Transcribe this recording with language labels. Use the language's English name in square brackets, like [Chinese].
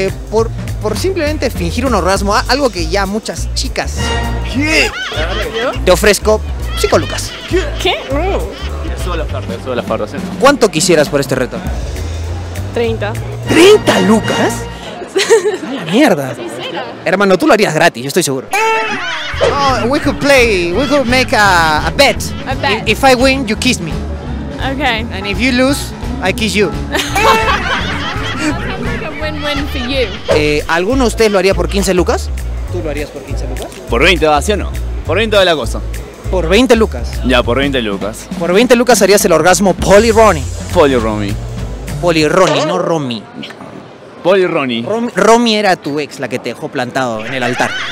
[Spanish] Por simplemente fingir un orgasmo, algo que ya muchas chicas... ¿Qué? Te ofrezco 5 lucas. ¿Qué? Todas las partes, ¿eh? ¿Cuánto quisieras por este reto? 30. ¿30 lucas? ¡Ay, mierda! Sí, sí, no. Hermano, tú lo harías gratis, yo estoy seguro. [English] Oh, we could play, we could make a bet. A bet. If I win, you kiss me. Okay. And if you lose, I kiss you. Sounds like a win-win for you. [Spanish] ¿Alguno de ustedes lo haría por 15 lucas? ¿Tú lo harías por 15 lucas? Por 20, ¿va? ¿Sí o no? Por 20 de la cosa. ¿Por 20 lucas? Ya, por 20 lucas. ¿Por 20 lucas harías el orgasmo Polly Ronnie? Polly Ronnie. Polly Ronnie, no Romy. Polly Ronnie. Romy era tu ex, la que te dejó plantado en el altar.